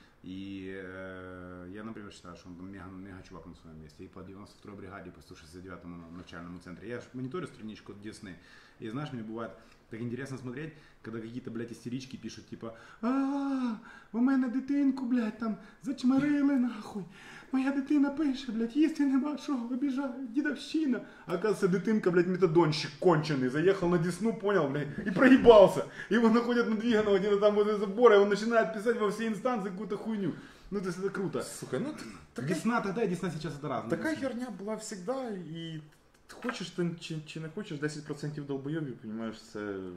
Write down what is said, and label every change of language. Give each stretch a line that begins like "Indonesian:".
Russian: И я, например, считаю, что он там мега чувак на своем месте. И по 92-й бригаде, по 169-му начальному центру. Я же мониторю страничку от Десны. И знаешь, мне бывает так интересно смотреть, когда какие-то, блядь, истерички пишут, типа, у меня дитинку, блядь, там зачмарили, нахуй.
Ukrainian: Моя дитина пише, блядь, їсти нема чого, вибіжаю, дідовщина.
Russian: Оказывается, дитинка, блядь, метадонщик кончений, заехал на Десну, понял, блядь, и проебался. Его находят на Двиганово, где-то там возле забора, и он начинает писать во все инстанции какую-то хуйню. Ну, то есть это круто. Сука, ну, Десна тогда и Десна сейчас это разное. Такая херня была всегда, и хочешь ты, чи не хочешь, 10% долбоеби, понимаешь, це...